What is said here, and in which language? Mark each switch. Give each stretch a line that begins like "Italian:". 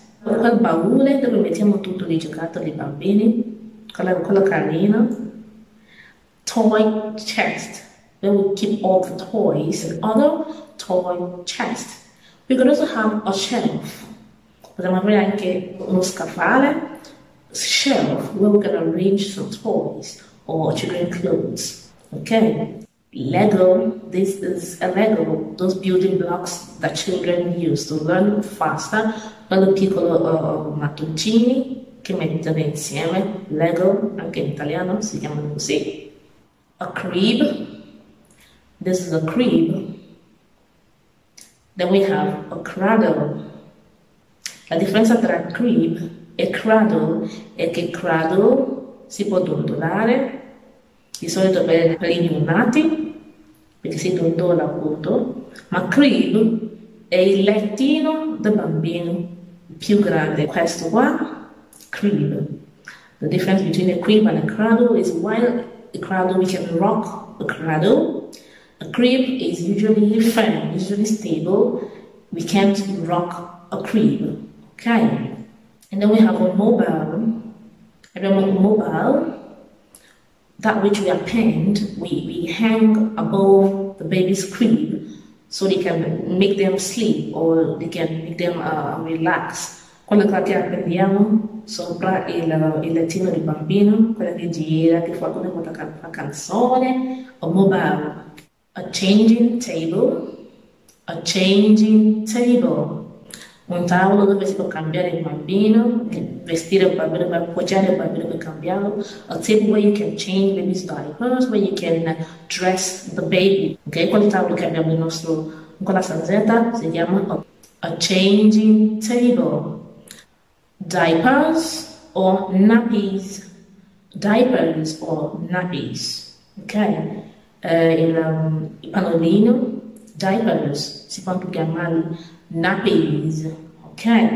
Italian: Quel baule dove mettiamo tutti i giocattoli bambini. Quello carino. Toy chest.
English: They will keep all the toys and other toy chests. We could also have a shelf.
Italian: Potremmo avere anche uno scaffale,
English: shelf, where we can arrange some toys or children's clothes. Okay. Lego, this is a Lego, those building blocks that children use to learn faster.
Italian: Quello piccolo mattoncini che mettono insieme. Lego, anche in italiano si chiama così. A crib.
English: This is a crib. Then we have a cradle.
Italian: La differenza tra crib e cradle è che cradle si può dondolare, di solito per i neonati, perché si dondola appunto, ma crib è il lettino del bambino più grande. Questo qua, crib.
English: The difference between a crib and a cradle is while a cradle we can rock a cradle. A crib is usually firm, usually stable. We can't rock a crib, okay? And then we have a mobile.
Italian: Abbiamo un mobile,
English: that which we append, we hang above the baby's crib so they can make them sleep or they can make them relax.
Italian: Quello che appendiamo sopra il lettino del bambino, quella che gira, che fa come quando fa canzone, o mobile.
English: A changing table, a changing table.
Italian: Un tavolo dove si può cambiare il bambino, vestire il bambino, appoggiare il bambino per cambiarlo.
English: A table where you can change baby's diapers, where you can dress the baby.
Italian: Ok, quel tavolo che abbiamo il nostro, con la stanzetta si chiama a changing table.
English: Diapers or nappies. Diapers or nappies. Ok.
Italian: Il pannolino, diapers, si può anche chiamare nappies, ok?